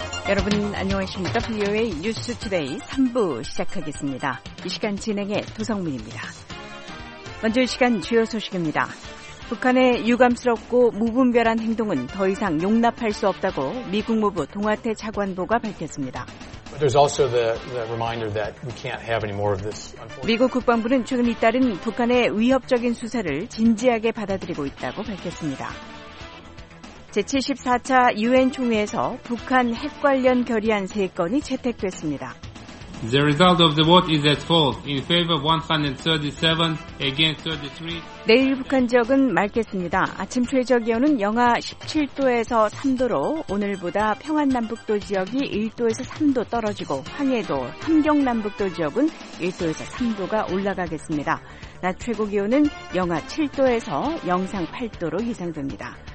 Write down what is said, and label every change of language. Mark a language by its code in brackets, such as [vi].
[ko] 여러분 안녕하십니까? VOA News Today 3부 시작하겠습니다. 이 시간 진행의 도성민입니다. 먼저 이 시간 주요 소식입니다. 북한의 유감스럽고 무분별한 행동은 더 이상 용납할 수 없다고 미 국무부 동아태 차관보가 밝혔습니다. [en] There's also the reminder that we can't have any more of this. [ko] 미국 국방부는 최근 잇따른 북한의 위협적인 수사를 진지하게 받아들이고 있다고 밝혔습니다. 제74차 UN 총회에서 북한 핵 관련 결의안 3건이 채택됐습니다. [en] The result of the vote is as follows: in favor 137, against 33. [ko] 내일 북한 지역은 맑겠습니다. 아침 최저 기온은 영하 17도에서 3도로 오늘보다 평안남북도 지역이 1도에서 3도 떨어지고 황해도, 함경남북도 지역은 1도에서 3도가 올라가겠습니다. 낮 최고 기온은 영하 7도에서 영상 8도로 예상됩니다.